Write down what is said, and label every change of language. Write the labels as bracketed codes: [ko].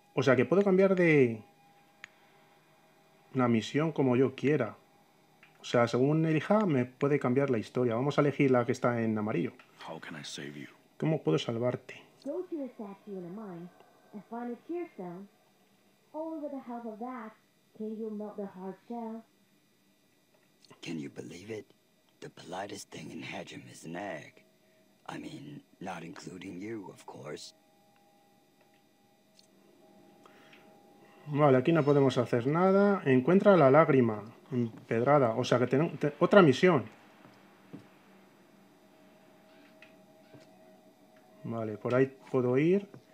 [es] O sea que puedo cambiar de la misión como yo quiera. O sea, según elija, me puede cambiar la historia. Vamos a elegir la que está en amarillo. [en] How can I save you? [es] ¿Cómo puedo salvarte? [en] Go to the statue in a mine and find a cheer stone. Only with the help of that can you melt the hard shell. Can you believe it? The politest thing in Hajim is an egg. I mean, not including you, of course. [es] Vale, aquí no podemos hacer nada. Encuentra la lágrima empedrada. O sea que tenemos otra misión. Vale, por ahí puedo ir.